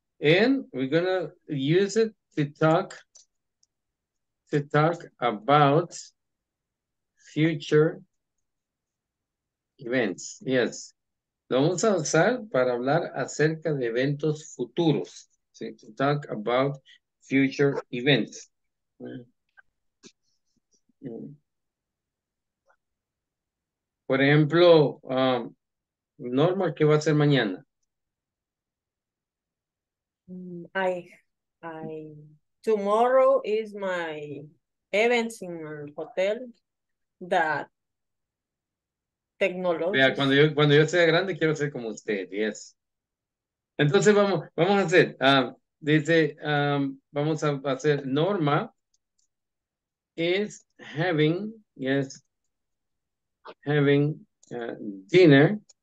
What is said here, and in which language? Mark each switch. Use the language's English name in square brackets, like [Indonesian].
[English] And we're going to use it to talk about future events. Yes. [Spanish] Lo vamos a usar para hablar acerca de eventos futuros. ¿Sí? [English] To talk about future events. [Spanish] Por ejemplo, Norma, ¿qué va a hacer mañana? [English] I tomorrow is my events in a hotel that technology. [Spanish] Vea, cuando yo sea grande quiero ser como usted, yes. Entonces vamos a hacer, vamos a hacer Norma [English] is having, yes, having dinner.